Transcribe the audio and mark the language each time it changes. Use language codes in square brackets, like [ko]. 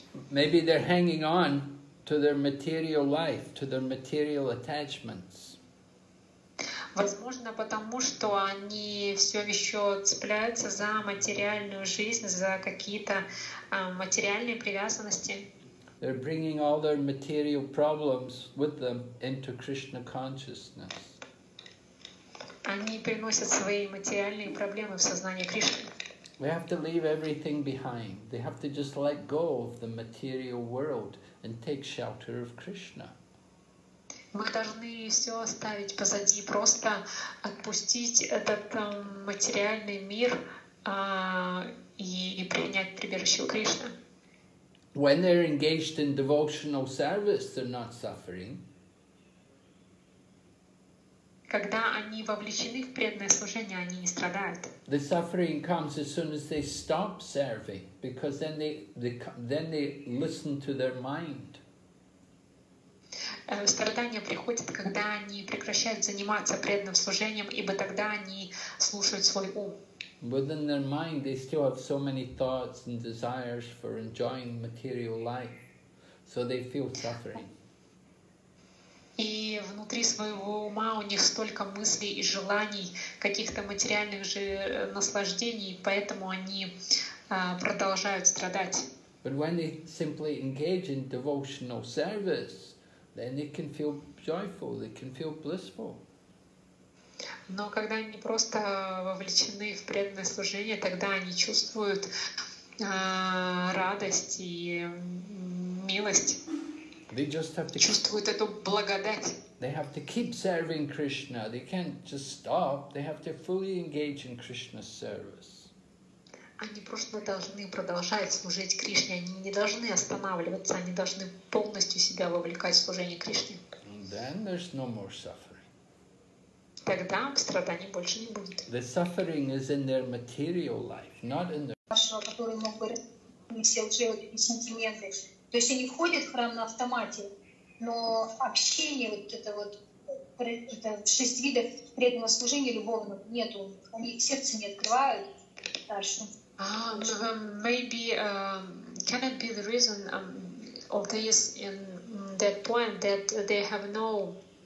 [en] Maybe they're hanging on to their material life, to their material attachments. [ru] Возможно, потому что они все еще цепляются за материальную жизнь, за какие-то материальные привязанности. [en] They're bringing all their material problems with them into Krishna consciousness. [ru] Они приносят свои материальные проблемы в сознание Кришны. [en] We have to leave everything behind. They have to just let go of the material world and take shelter of Krishna. [ru] Мы должны все оставить позади, просто отпустить этот материальный мир и принять прибежище у Кришны. [en] When they're engaged in devotional service, they're not suffering. [ru] Когда они вовлечены в преданное служение, они не страдают. [en] The suffering comes as soon as they stop serving, because then they listen to their mind. [ru] Страдания приходят, когда они прекращают заниматься преданным служением, ибо тогда они слушают свой ум. [en] Within their mind, they still have so many thoughts and desires for enjoying material life, so they feel suffering. [ru] И внутри своего ума у них столько мыслей и желаний, каких-то материальных же наслаждений, поэтому они продолжают страдать. [en] But when they simply engage in devotional service, then they can feel joyful, they can feel blissful. [ru] Но когда они просто вовлечены в преданное служение, тогда они чувствуют радость и милость. Чувствуют эту благодать. [en] They have to keep serving Krishna. They can't just stop. They have to fully engage in Krishna's service. [ru] Они просто должны продолжать служить Кришне. Они не должны останавливаться. Они должны полностью себя вовлекать в служение Кришне. [en] Then there's no more suffering. [ru] Тогда страданий больше не будет. [en] The suffering is in their material life, not in their... [ru] ...который мог бы нести уже сантименты. То есть они входят в храм на автомате, но общение, вот это вот, это шесть видов преданного служения любовного нету. Они сердце не открывают дальше. [en] Maybe, can it be the reason of this in that point that they have no...